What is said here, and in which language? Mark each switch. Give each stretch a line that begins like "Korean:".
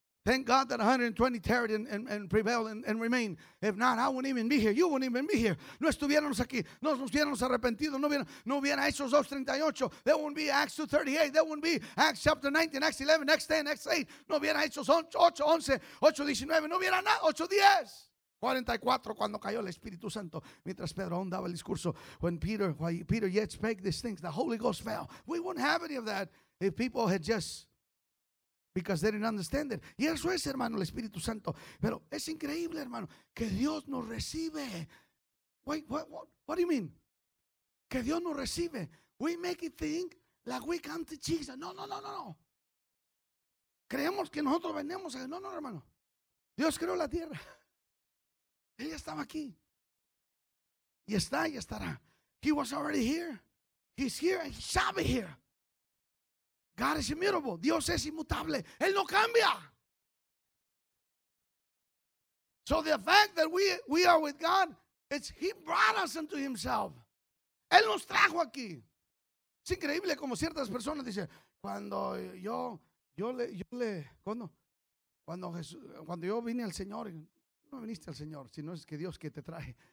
English: Thank God that 120 tarried and prevailed and remained. If not, I wouldn't even be here. You wouldn't even be here.
Spanish: No estuviéramos aquí. No nos hubiéramos arrepentido. No hubiera Hechos 2:38.
English: There wouldn't be Acts 2:38. There wouldn't be Acts chapter 19, Acts 11, Acts 10, Acts 8.
Spanish: No hubiera Hechos 8:11, 8:19. No hubiera nada. 8:10. 44 cuando cayó el Espíritu Santo mientras Pedro aún daba el discurso.
English: When Peter yet spake these things, the Holy Ghost fell. We wouldn't have any of that if people had just, because they didn't understand it.
Spanish: Y eso es, hermano, el Espíritu Santo. Pero es increíble, hermano, que Dios nos recibe.
English: What do you mean?
Spanish: Que Dios nos recibe.
English: We make it think like we come to Jesus.
Spanish: No. Creemos que nosotros venimos. No, hermano. Dios creó la tierra. Él ya estaba aquí. Y está y estará.
English: He was already here. He's here and he shall be here. God is immutable.
Spanish: Dios es inmutable. Él no cambia.
English: So the fact that we are with God, it's he brought us unto himself.
Spanish: Él nos trajo aquí. Es increíble como ciertas personas dicen, cuando yo vine al Señor, no viniste al Señor, sino es que Dios que te traje.